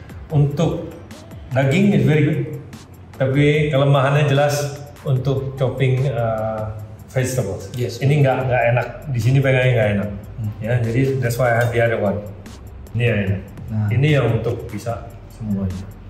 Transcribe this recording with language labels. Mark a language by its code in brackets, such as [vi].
[id] Untuk daging [en] is very good. [id] Tapi kelemahannya jelas untuk [en] chopping vegetables. Yes. [id] Ini enggak enak. Di sini pegangnya enggak enak. Ya, jadi [en] that's why I have the other one. [id] Ini ya. Nah. Ini yang untuk bisa semuanya.